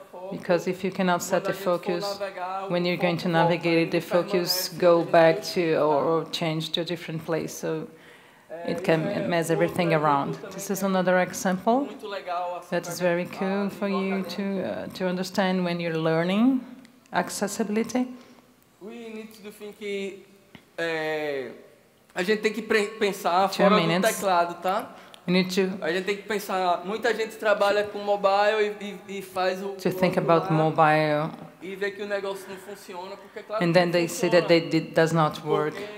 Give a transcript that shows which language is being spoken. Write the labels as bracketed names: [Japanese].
[English] Because if you cannot set the focus, when you're going to navigate it, the focus go back to or change to a different place. So it can mess everything around. This is another example that is very cool for you to understand when you're learning accessibility. We need to think [Portuguese] A gente tem que pensar fora do teclado, tá? [English] We need to. [Portuguese] A gente tem que pensar. Muita gente trabalha com mobile e faz o. [English] To think about mobile. [Portuguese] E vê que o negócio não funciona porque claro. [English] And then they see that it does not work.